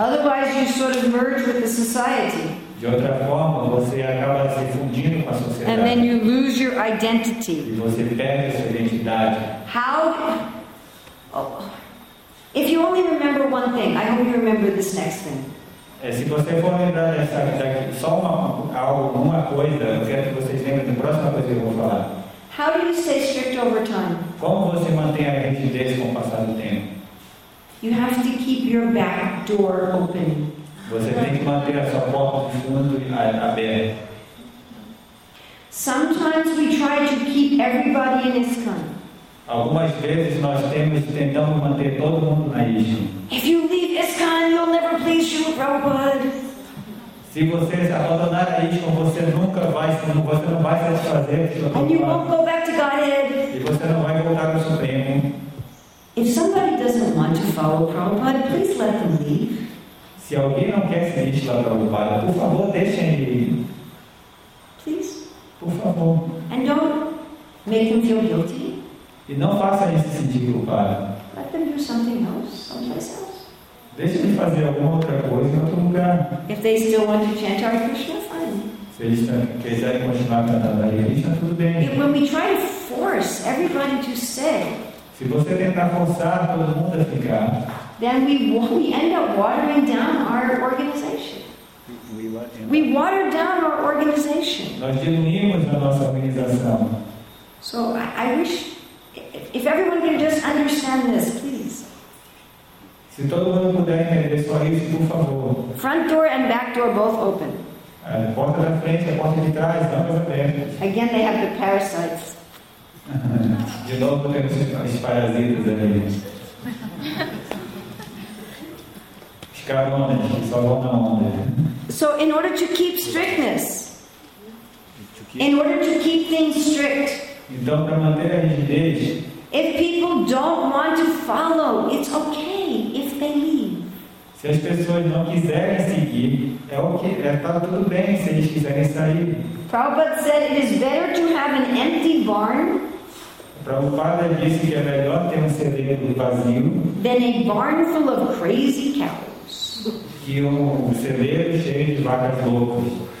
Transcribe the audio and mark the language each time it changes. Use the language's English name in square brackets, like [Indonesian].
[English] Otherwise, you sort of merge with the society. [Portuguese] De outra forma, você acaba se fundindo com a sociedade. [English] And then you lose your identity. [Portuguese] E você perde a sua identidade. [English] How? Oh. If you only remember one thing, I hope you remember this next thing. [Portuguese] Se você for lembrar só alguma coisa, eu quero que vocês lembrem da próxima coisa que eu vou falar. [English] How do you stay strict over time? [Portuguese] Como você mantém a rigidez com o passar do tempo? [English] You have to keep your back door open. [Portuguese] Você tem que manter a sua porta de fundo aberta. [English] Sometimes we try to keep everybody in ISKCON. [Portuguese] Algumas vezes nós tentamos manter todo mundo na ISKCON. [English] If you leave ISKCON, you'll never please Srila Prabhupada. [Portuguese] Se você abandonar a ISKCON, você não vai satisfazer Srila Prabhupada. [English] And you won't go back to Godhead. [Portuguese] E você não vai voltar ao Supremo. [English] If somebody doesn't want to follow Prabhupada, please let them leave. [Portuguese] Se alguém não quer seguir Srila Prabhupada, por favor, deixe ele ir. [English] Please. [Portuguese] Por favor. [English] And don't make him feel guilty. [Portuguese] E não faça ele se sentir culpado. [English] Let them do something else, someplace else. [Portuguese] Deixe ele fazer alguma outra coisa em outro lugar. [English] If they still want to chant Hare Krishna, fine. [Portuguese] Se eles quiserem continuar cantando Hare Krishna, tudo bem. [English] If when we try to force everybody to stay, [Portuguese] se você tentar forçar todo mundo a ficar, [English] then we end up watering down our organization. We water down our organization. [Portuguese] Nós diminuímos a nossa organização. [English] So I wish, if everyone can just understand this, please. [Portuguese] Se todo mundo puder entender só isso, por favor. [English] Front door and back door both open. [Portuguese] A porta da frente e a porta de trás, ambas abertas. [English] Again, they have the parasites. [Portuguese] De novo, temos os parasitas ali. Os caronas, só vão na onda. [English] So, in order to keep strictness, in order to keep things strict, [Portuguese] então, para manter a rigidez, [English] if people don't want to follow, it's okay if they leave. [Portuguese] Se as pessoas não quiserem seguir, é okay, está tudo bem se eles quiserem sair. [English] Prabhupada said it is better to have an empty barn. [Portuguese] Prabhupada disse que é melhor ter um celeiro vazio [English] than a barn full of crazy cows. [Portuguese] Que um celeiro cheio de vacas loucas.